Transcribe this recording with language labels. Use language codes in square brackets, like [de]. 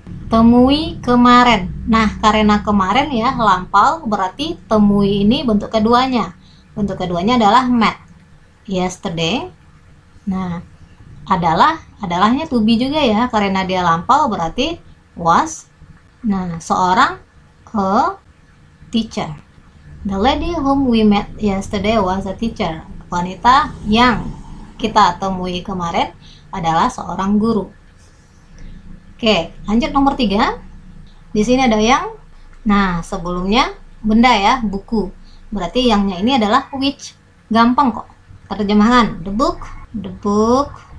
[id] Temui kemarin. Nah, karena kemarin ya lampau, berarti temui ini bentuk keduanya. Bentuk keduanya adalah met. Yesterday. Nah, adalahnya to be juga ya, karena dia lampau berarti was. Nah, seorang a teacher. [en] The lady whom we met yesterday was a teacher. [id] Wanita yang kita temui kemarin adalah seorang guru. Oke, lanjut nomor 3. Di sini ada yang. Nah, sebelumnya benda ya, buku. Berarti yangnya ini adalah which. Gampang kok. Terjemahan, the book.